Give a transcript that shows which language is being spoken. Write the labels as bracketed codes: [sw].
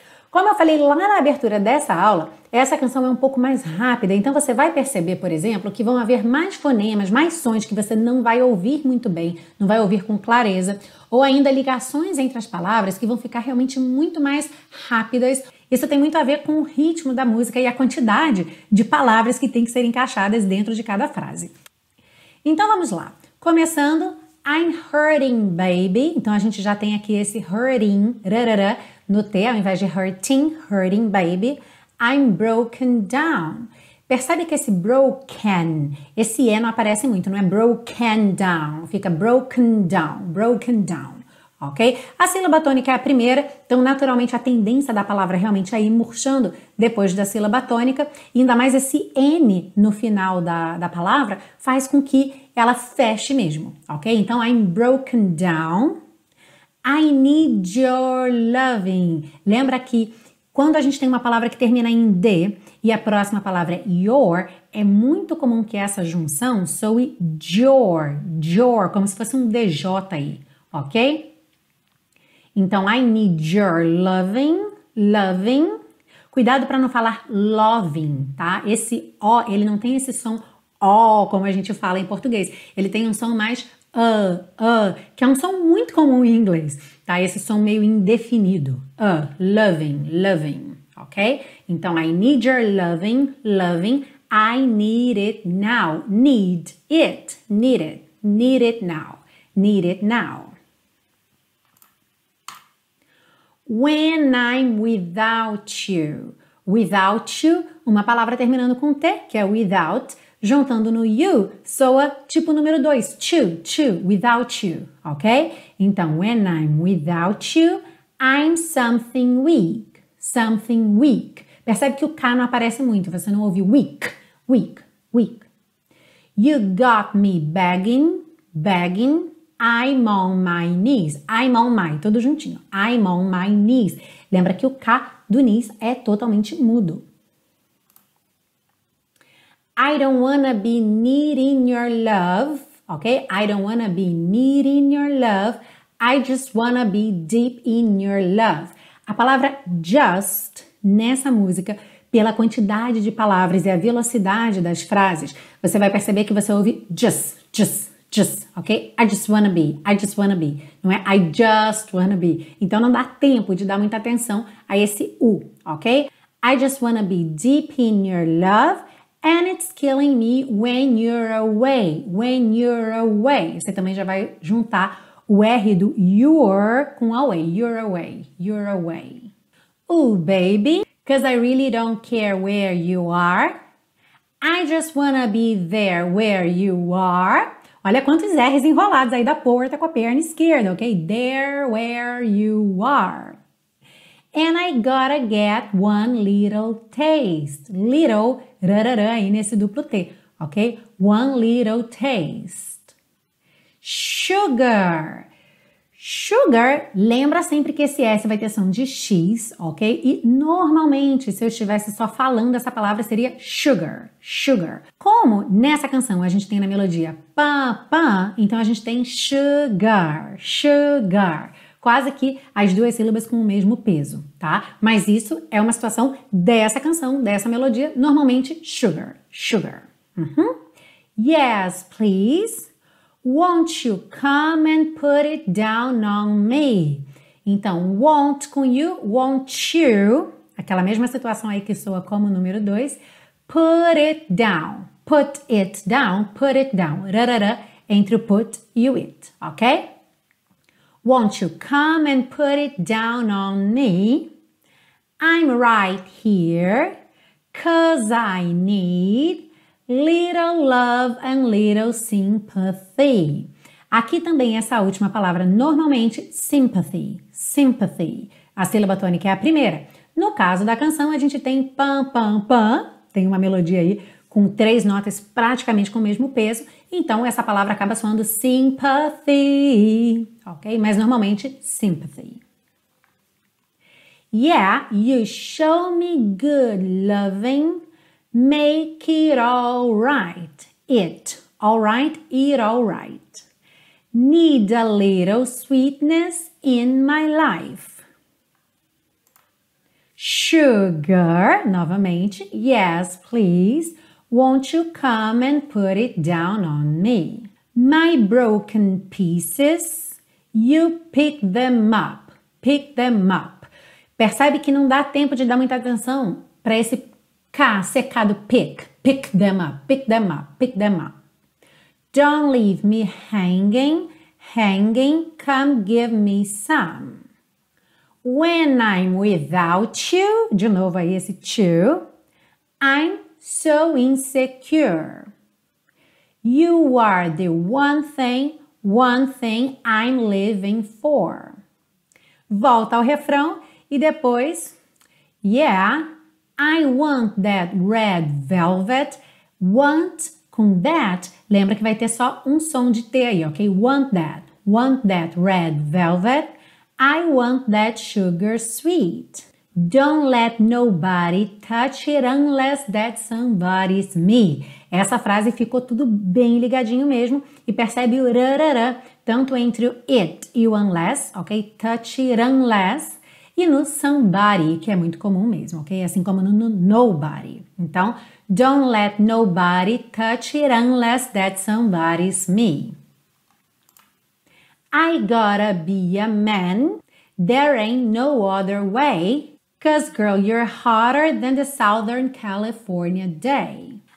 [pt] Como eu falei lá na abertura dessa aula, essa canção é um pouco mais rápida, então você vai perceber, por exemplo, que vão haver mais fonemas, mais sons que você não vai ouvir muito bem, não vai ouvir com clareza, ou ainda ligações entre as palavras que vão ficar realmente muito mais rápidas. Isso tem muito a ver com o ritmo da música e a quantidade de palavras que tem que ser encaixadas dentro de cada frase. Então vamos lá. [en] Começando, I'm hurting, baby. [pt] Então a gente já tem aqui esse hurting, rarará, no T, ao invés de hurting, [en] hurting, baby. I'm broken down. [pt] Percebe que esse broken, esse E não aparece muito, não é broken down, fica [en] broken down, broken down. [pt] Ok? A sílaba tônica é a primeira, então naturalmente a tendência da palavra realmente é ir murchando depois da sílaba tônica, e ainda mais esse N no final da palavra faz com que ela feche mesmo, ok? [en] Então, I'm broken down, I need your loving. [pt] Lembra que quando a gente tem uma palavra que termina em D e a próxima palavra é your, é muito comum que essa junção soe your, your, como se fosse um DJ aí, ok? [en] Então, I need your loving, loving. [pt] Cuidado para não falar loving, tá? Esse O, ele não tem esse som O, como a gente fala em português. Ele tem um som mais que é um som muito comum em inglês, tá? Esse som meio indefinido. Loving, loving, ok? [en] Então, I need your loving, loving. I need it now. Need it, need it, need it now. Need it now. When I'm without you, without you, [pt] uma palavra terminando com T, que é without, juntando no you, soa tipo número 2, [en] two, two, without you, [pt] ok? [en] Então, when I'm without you, I'm something weak, something weak. [pt] Percebe que o K não aparece muito, você não ouve weak, weak, weak. [en] You got me begging, begging. I'm on my knees, I'm on my, tudo juntinho, I'm on my knees. [pt] Lembra que o K do knees é totalmente mudo. [en] I don't wanna be needing your love, ok? I don't wanna be needing your love, I just wanna be deep in your love. [pt] A palavra just, nessa música, pela quantidade de palavras e a velocidade das frases, você vai perceber que você ouve just, ok? [en] I just wanna be. [pt] Não é [en] I just wanna be. [pt] Então não dá tempo de dar muita atenção a esse U, ok? [en] I just wanna be deep in your love and it's killing me when you're away, when you're away. [pt] Você também já vai juntar o R do you're com away, [en] you're away, you're away. Ooh, baby, 'cause I really don't care where you are. I just wanna be there where you are. [pt] Olha quantos R's enrolados aí da porta com a perna esquerda, ok? [en] There where you are. And I gotta get one little taste. [pt] Little, rarará aí nesse duplo T, ok? [en] One little taste. Sugar. [pt] Sugar, lembra sempre que esse S vai ter som de X, ok? E normalmente, se eu estivesse só falando essa palavra, seria sugar, sugar. Como nessa canção a gente tem na melodia pá, pá, então a gente tem sugar, sugar. Quase que as duas sílabas com o mesmo peso, tá? Mas isso é uma situação dessa canção, dessa melodia, normalmente sugar, sugar. [en] Uhum. Yes, please. Won't you come and put it down on me? [pt] Então, won't com you, [en] won't you, [pt] aquela mesma situação aí que soa como o número 2, [en] put it down, put it down, put it down, [pt] rarara, entre o put e o it, ok? [en] Won't you come and put it down on me? I'm right here, 'cause I need little love and little sympathy. [pt] Aqui também essa última palavra, normalmente sympathy, sympathy. A sílaba tônica é a primeira. No caso da canção, a gente tem pam, pam, pam. Tem uma melodia aí com três notas praticamente com o mesmo peso. Então, essa palavra acaba soando sympathy, ok? Mas normalmente sympathy. [en] Yeah, you show me good loving. Make it all right, it, all right, it all right. Need a little sweetness in my life. Sugar, novamente, yes, please. Won't you come and put it down on me? My broken pieces, you pick them up, pick them up. [pt] Percebe que não dá tempo de dar muita atenção para esse K, secado, pick, pick them up, pick them up, pick them up. [en] Don't leave me hanging, hanging, come give me some. When I'm without you, [pt] de novo aí esse to, [en] I'm so insecure. You are the one thing I'm living for. [pt] Volta ao refrão e depois, [en] yeah, I want that red velvet, [pt] want com that, lembra que vai ter só som de T aí, ok? [en] Want that red velvet, I want that sugar sweet. Don't let nobody touch it unless that somebody's me. [pt] Essa frase ficou tudo bem ligadinho mesmo e percebe o rarará, tanto entre o it e o unless, ok? [en] Touch it unless. [pt] E no somebody, que é muito comum mesmo, ok? Assim como no nobody. [en] Então, don't let nobody touch it unless that somebody's me. I gotta be a man. There ain't no other way. 'Cause girl, you're hotter than the Southern California day.